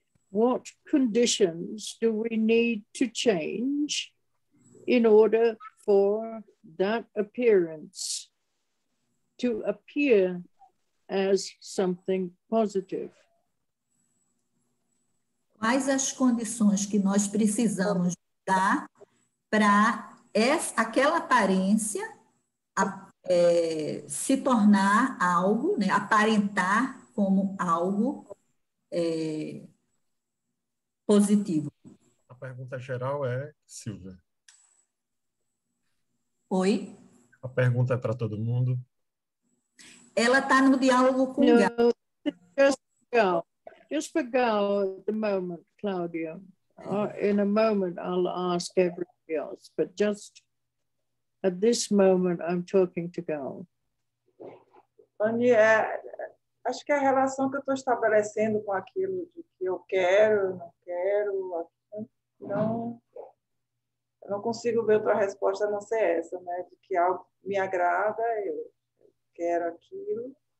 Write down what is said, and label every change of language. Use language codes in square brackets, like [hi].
[en] What conditions do we need to change in order for that appearance to appear as something positive? [pt] Quais as condições que nós precisamos dar para aquela aparência se tornar algo, né, aparentar como algo positivo? A pergunta geral é, Silvia. Oi? A pergunta é para todo mundo. Ela está no diálogo com o Gal. [en] Just for Gal at the moment, Claudia. In a moment, I'll ask everybody else, but just at this moment, I'm talking to Gal. [pt] Anne, acho que a relação que eu estou estabelecendo com aquilo de que eu quero, não quero, eu não consigo ver outra resposta a não ser essa, né? De que algo me agrada, eu quero aquilo.